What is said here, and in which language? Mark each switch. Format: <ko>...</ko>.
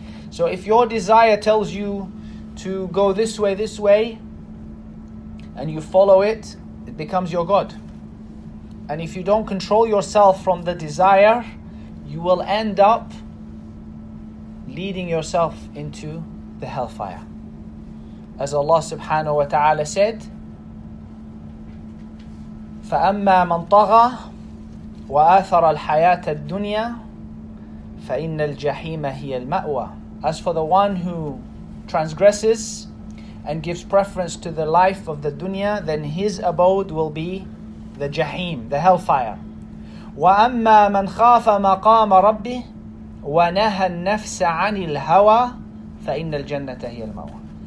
<en>So if your desire tells you to go this way, and you follow it, it becomes your God. And if you don't control yourself from the desire, you will end up leading yourself into the hellfire. As Allah subhanahu wa ta'ala said,</en> <ar>فَأَمَّا مَنْ طَغَى وَآثَرَ الْحَيَاةَ الدُّنْيَا فَإِنَّ الْجَحِيمَ هِيَ الْمَأْوَى.</ar> <en>As for the one who transgresses and gives preference to the life of the dunya, then his abode will be the jahim, the hellfire.</en> <ar>وَأَمَّا مَنْ خَافَ مَقَامَ رَبِّهِ وَنَهَى النَّفْسَ عَنِ الْهَوَى فَإِنَّ الْجَنَّةَ هِيَ الْمَوَى.</ar>